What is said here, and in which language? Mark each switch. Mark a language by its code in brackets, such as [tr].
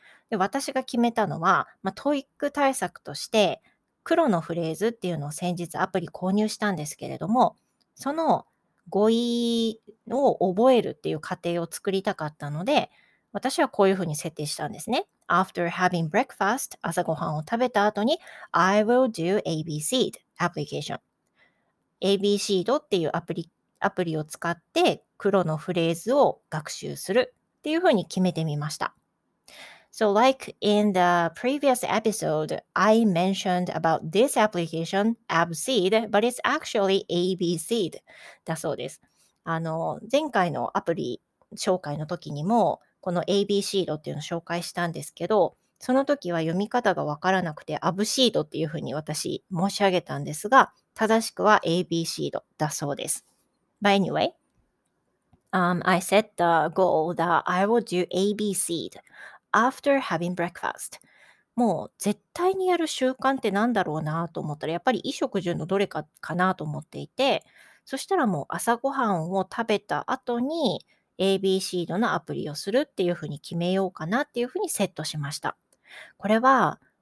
[ja] で、私が決めたのは、まあ、トイック対策として黒のフレーズっていうのを先日アプリ購入したんですけれども、その語彙を覚えるっていう過程を作りたかったので、私はこういうふうに設定したんですね。 [en] After having breakfast, [ja] 朝ごはんを食べた後に [en] I will do ABC the application. [ja] ABC っていうアプリを使って黒のフレーズを学習するっていうふうに決めてみました。 [en] So like in the previous episode, I mentioned about this application, ABCD, but it's actually ABCD [ja] だそうです。あの、前回のアプリ紹介の時にもこの ABC っていうのを紹介したんですけど、その時は読み方がわからなくてアブシードっていうふうに私申し上げたんですが、正しくは ABC だそうです。 [en] But anyway, I set the goal that I will do ABC after having breakfast. [ja] もう絶対にやる習慣ってなんだろうなと思ったら、やっぱり衣食住のどれかかなと思っていて、そしたらもう朝ごはんを食べた後に ABC のアプリをするっていうふうに決めようかなっていうふうにセットしました。これは